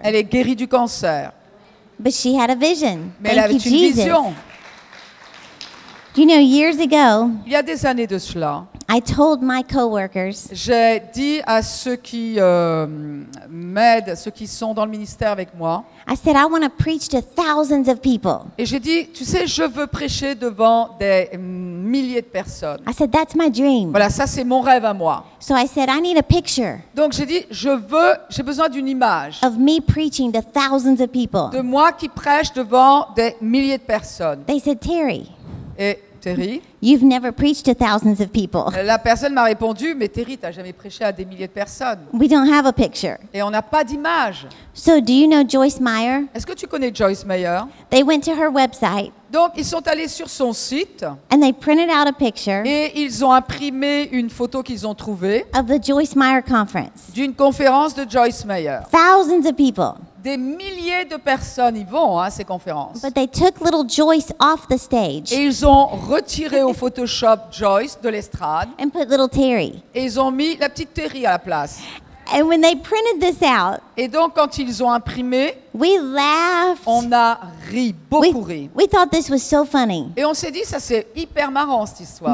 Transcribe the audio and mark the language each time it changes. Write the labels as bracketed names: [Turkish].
[French] Elle est guérie du cancer. [English] But she had a vision. [French] Mais [English] thank [French] elle avait [English] you, [French] une [English] Jesus. [French] Vision. [English] You know, years ago. [French] Il y a des années de cela. [English] I told my coworkers. [French] J'ai dit à ceux qui m'aident, ceux qui sont dans le ministère avec moi. [English] I said I want to preach to thousands of people. [French] Et j'ai dit, tu sais, je veux prêcher devant des milliers de personnes. [English] I said that's my dream. [French] Voilà, ça c'est mon rêve à moi. [English] So I said I need a picture. [French] Donc j'ai dit, j'ai besoin d'une image. [English] Of me preaching to thousands of people. [French] De moi qui prêche devant des milliers de personnes. [English] They said Terry. [French] Et Terry, [English] you've never preached to thousands of people. [French] La personne m'a répondu, mais Terry, t'as jamais prêché à des milliers de personnes. [English] We don't have a picture. [French] Et on n'a pas d'image. [English] So, do you know Joyce Meyer? [French] Est-ce que tu connais Joyce Meyer? [English] They went to her website. [French] Donc, ils sont allés sur son site. [English] And they printed out a picture. [French] Et ils ont imprimé une photo qu'ils ont trouvée. [English] Of the Joyce Meyer conference. [French] D'une conférence de Joyce Meyer. [English] Thousands of people. [French] Des milliers de personnes y vont à ces conférences. [English] But they took little Joyce off the stage. [French] Et ils ont retiré au Photoshop Joyce de l'estrade. [English] And put little Terry. [French] Et ils ont mis la petite Terry à la place. [English] And when they printed this out, [French] et donc quand ils ont imprimé, [English] we laughed. [French] On a ri, beaucoup ri. [English] We thought this was so funny. [French] Et on s'est dit, ça c'est hyper marrant cette histoire.